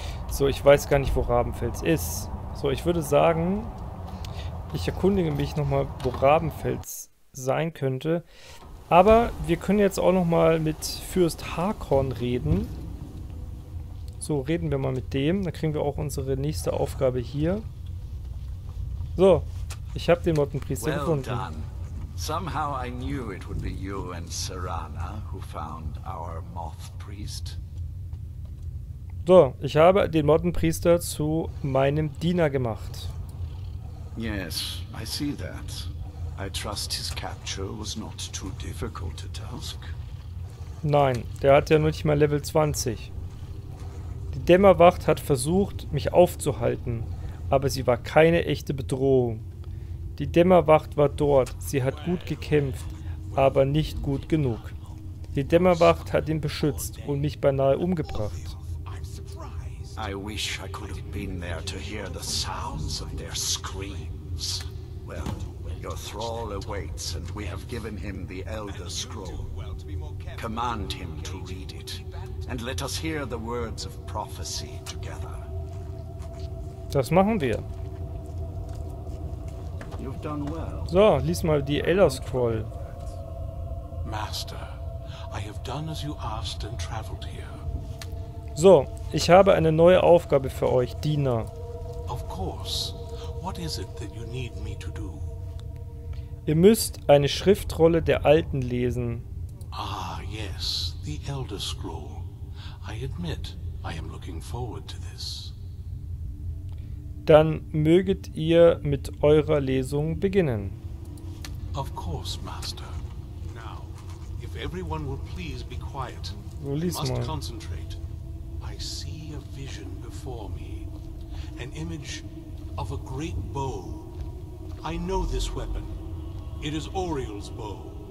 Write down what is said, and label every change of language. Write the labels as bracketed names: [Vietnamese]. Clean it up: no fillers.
[German] So, ich weiß gar nicht, wo Rabenfels ist. So, ich würde sagen, ich erkundige mich nochmal, wo Rabenfels sein könnte. Aber wir können jetzt auch nochmal mit Fürst Harkon reden. So, reden wir mal mit dem. Dann kriegen wir auch unsere nächste Aufgabe hier. So, ich habe den Mottenpriester gefunden. [English] Done. Somehow I knew it would be you and Serana who found our moth priest. [German] So, ich habe den Mottenpriester zu meinem Diener gemacht. [English] Yes, I see that. I trust his capture was not too difficult a task. [German] Nein, der hat ja nur nicht mal Level 20. Die Dämmerwacht hat versucht, mich aufzuhalten, aber sie war keine echte Bedrohung. Die Dämmerwacht war dort, sie hat gut gekämpft, aber nicht gut genug. Die Dämmerwacht hat ihn beschützt und mich beinahe umgebracht. [English] I wish I could have been there to hear the sounds of their screams. Well, your thrall awaits, and we have given him the Elder Scroll. Command him to read it, and let us hear the words of prophecy together. [German] Das machen wir. [English] You've done well. [German] So, lies mal die Elder Scroll. [English] Master, I have done as you asked and traveled here. [German] So, ich habe eine neue Aufgabe für euch, Diener. [English] Of course. What is it that you need me to do? [German] Ihr müsst eine Schriftrolle der Alten lesen. [English] Ah, yes, the Elder Scroll. I admit, I am looking forward to this. [German] Dann möget ihr mit eurer Lesung beginnen. [English] Of course, Master. Now, if everyone will please be quiet, so, we must [German] mal. [English] Concentrate. I see a vision before me, an image of a great bow. I know this weapon. It is Oriel's bow.